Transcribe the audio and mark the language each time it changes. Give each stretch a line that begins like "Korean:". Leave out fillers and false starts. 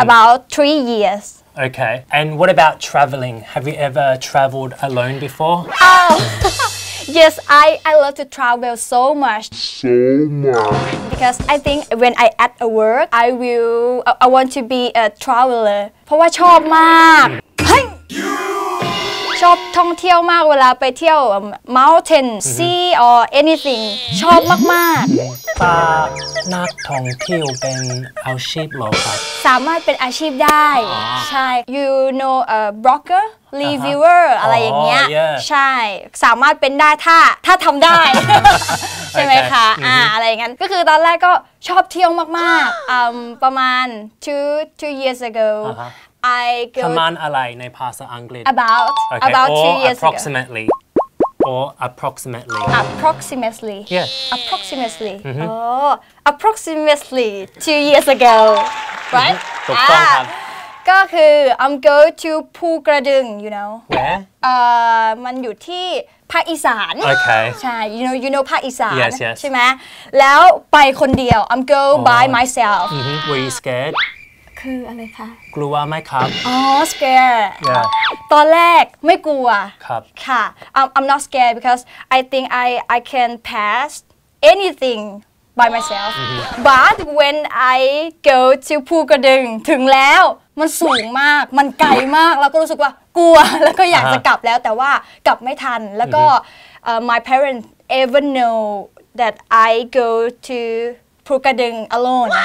English: About 3 years Okay, and what about traveling? Have you ever traveled alone before? Oh, yes, I love to travel so much. So much. Because I think when I at a work, I want to be a traveler.
Thai: เพราะว่าชอบมาก ชอบท่องเที่ยวมากเวลาไปเที่ยว
English: mountain, sea or anything.
Thai: ชอบมากมาก ป้านักท่องเที่ยวเป็นอาชีพหรอครับ สามารถเป็นอาชีพได้ใช่
English: you know a blogger reviewer
Thai: อะไรอย่างเงี้ยใช่สามารถเป็นได้ถ้าทำได้ใช่ไหมคะอะไรอย่างเงี้ยก็คือตอนแรกก็ชอบเที่ยวมากมากประมาณ
English: two years ago I go
Thai: ประมาณอะไรในภาษาอังกฤษ
English: about two years ago approximatelyOr approximately. Approximately. Yes. Approximately. Mm-hmm. Oh, approximately 2 years ago, right? Mm-hmm. Ah,
Thai: ก็คือ
English: I'm going to Bugaboo.TV. You know. Where?
Thai: มันอยู่ที่ภาคอีสาน
English: Okay.
Thai: ใช่
English: you know
Thai: ภาคอีสาน
English: Yes, yes.
Thai: ใช่ไหมแล้วไปคนเดียว
English: I'm going by myself. Mm-hmm. Were you scared?
Thai: คืออะไรคะ กลัวไหมครับ
English: อ๋อ scared yeah
Thai: ตอนแรกไม่กลัว ครับ ค่ะ
English: I'm not scared because I think I can pass anything by myself but when I go to Bugaboo.TV
Thai: ถึงแล้วมันสูงมากมันไกลมากแล้วก็รู้สึกว่ากลัวแล้วก็อยากจะกลับแล้วแต่ว่ากลับไม่ทันแล้วก็
English: my parents ever know that I go toPugaboo.TV alone.